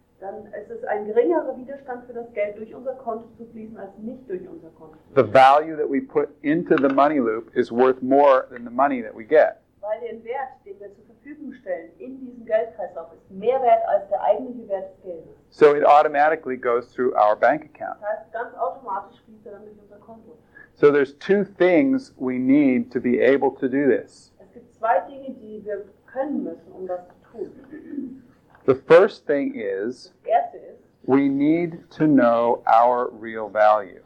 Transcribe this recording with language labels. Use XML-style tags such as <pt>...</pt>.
<en>The value that we put into the money loop is worth more than the money that we get.</en> <de>Weil der Wert, den wir zur Verfügung stellen, in diesem Geldkreislauf ist mehr wert als der eigentliche Wert des Geldes.</de> <en>So it automatically goes through our bank account.</en> <de>Das heißt, ganz automatisch fließt er dann durch unser Konto.</de> <en>So there's two things we need to be able to do this.</en> <de>Es gibt zwei Dinge, die wir können müssen, um das zu tun.</de> <en>The first thing is, we need to know our real value.</en>